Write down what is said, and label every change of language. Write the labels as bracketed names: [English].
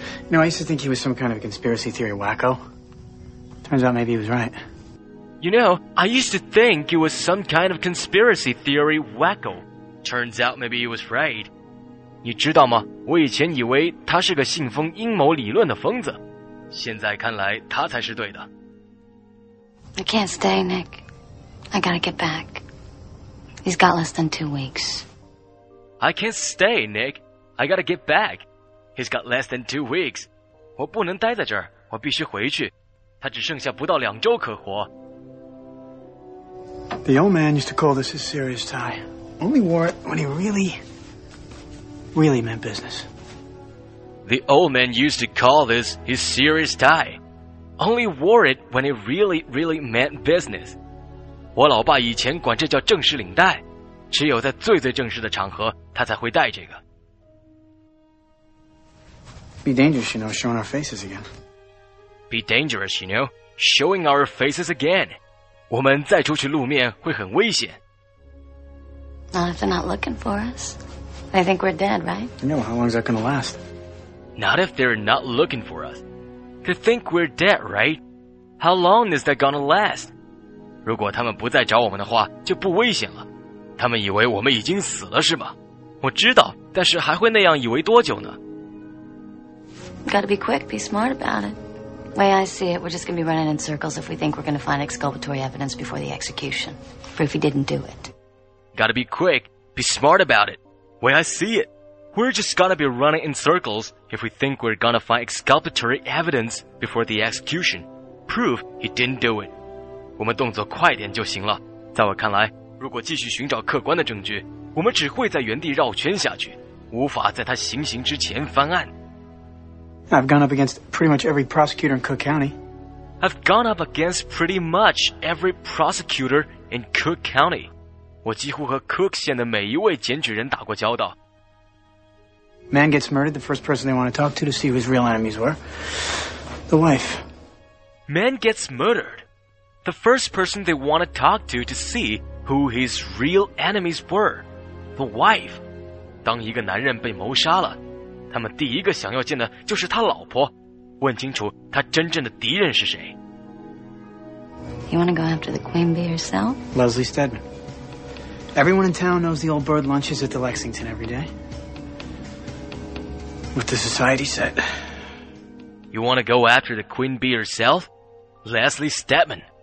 [English] You know, I used to think he was some kind of a conspiracy theory wacko. Turns out maybe he was right. You know, I used to think it was some kind of conspiracy theory wacko. Turns out maybe he was right. [Chinese] 你知道吗？我以前以为他是个信奉阴谋理论的疯子。现在看来他才是对的。 [English] I can't stay, Nick. I gotta get back. He's got less than 2 weeks. I can't stay, Nick. I gotta get back. He's got less than 2 weeks. [Chinese] 我不能待在这儿，我必须回去。他只剩下不到两周可活。 [English] The old man used to call this his serious tie. Only wore it when he really, really meant business. The old man used to call this his serious tie. Only wore it when he really, really meant business. [Chinese] 我老爸以前管这叫正式领带，只有在最最正式的场合，他才会戴这个。 [English] Be dangerous, you know, showing our faces again. Be dangerous, you know, showing our faces again. [Chinese] 我们再出去露面会很危险。 [English] Not if they're not looking for us. They think we're dead, right? No, how long is that going to last? Not if they're not looking for us. They think we're dead, right? How long is that going to last? [Chinese] 如果他们不再找我们的话，就不危险了。他们以为我们已经死了，是吗？我知道，但是还会那样以为多久呢？ [English] Gotta be quick, be smart about it. The way I see it, we're just going to be running in circles if we think we're going to find exculpatory evidence before the execution. Proof he didn't do it. Gotta be quick. Be smart about it. The way I see it, we're just going to be running in circles if we think we're going to find exculpatory evidence before the execution. Proof he didn't do it. [Chinese] 我们动作快点就行了。在我看来，如果继续寻找客观的证据，我们只会在原地绕圈下去。无法在他行刑之前翻案。 [English] I've gone up against pretty much every prosecutor in Cook County. I've gone up against pretty much every prosecutor in Cook County. [Chinese] 我几乎和 Cook 县的每一位检举人打过交道。 [English] Man gets murdered, the first person they want to talk to see who his real enemies were. The wife. Man gets murdered. The first person they want to talk to see who his real enemies were. The wife. [Chinese] 当一个男人被谋杀了，他们第一个想要见的就是他老婆，问清楚他真正的敌人是谁。 [English] You want to go after the queen bee yourself? Leslie Stedman. Everyone in town knows the old bird lunches at the Lexington every day. With the society set. You want to go after the queen bee yourself? Leslie Stedman.